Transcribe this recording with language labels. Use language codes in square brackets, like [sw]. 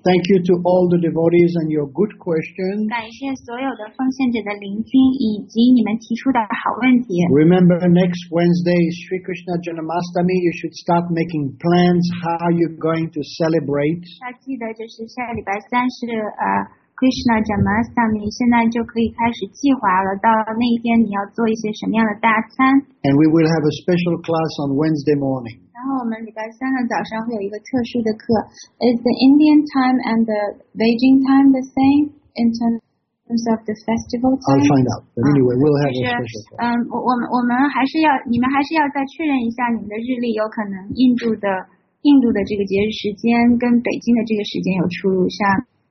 [en] Thank you to all the devotees and your good questions. [zh] 感谢所有的奉献者的聆听以及你们提出的好问题。 [en] Remember, next Wednesday is Sri Krishna Janmashtami. You should start making plans how you're going to celebrate. [zh] 要记得就是下礼拜三是Krishna Janmashtami， 现在就可以开始计划了。到那一天，你要做一些什么样的大餐 [en] ？And we will have a special class on Wednesday morning. [zh] 然后我们礼拜三的早上会有一个特殊的课。 [en] Is the Indian time and the Beijing time the same in terms of the festival time? I'll find out. But anyway, we'll have a special class. [zh] 我们还是要，你们还是要再确认一下你们的日历，有可能印度的这个节日时间跟北京的这个时间有出入，像。